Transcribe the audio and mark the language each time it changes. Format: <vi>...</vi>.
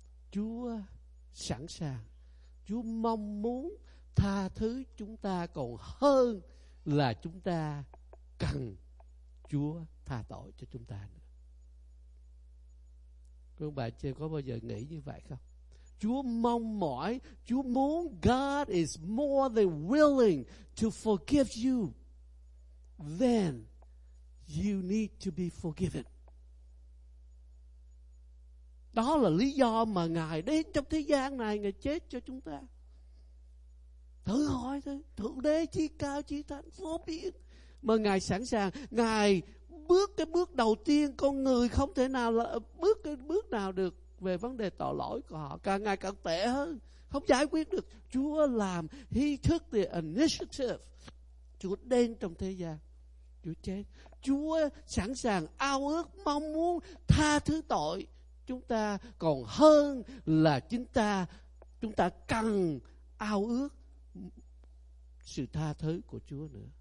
<vi>Chúa sẵn sàng, Chúa mong muốn tha thứ chúng ta còn hơn là chúng ta cần Chúa tha tội cho chúng ta nữa. Các bạn chưa có bao giờ nghĩ như vậy không? Chúa mong mỏi, Chúa muốn,</vi> <en>God is more than willing to forgive you than you need to be forgiven.</en> <vi>Đó là lý do mà Ngài đến trong thế gian này, Ngài chết cho chúng ta. Thử hỏi thôi, Thượng Đế chi cao chi thánh vô biên, mà Ngài sẵn sàng, Ngài bước cái bước đầu tiên, con người không thể nào là bước cái bước nào được về vấn đề tội lỗi của họ, càng ngày càng tệ hơn, không giải quyết được. Chúa làm,</vi> <en>He took the initiative.</en> <vi>Chúa đến trong thế gian, Chúa chết, Chúa sẵn sàng ao ước mong muốn tha thứ tội chúng ta còn hơn là chúng ta cần ao ước sự tha thứ của Chúa nữa.</vi>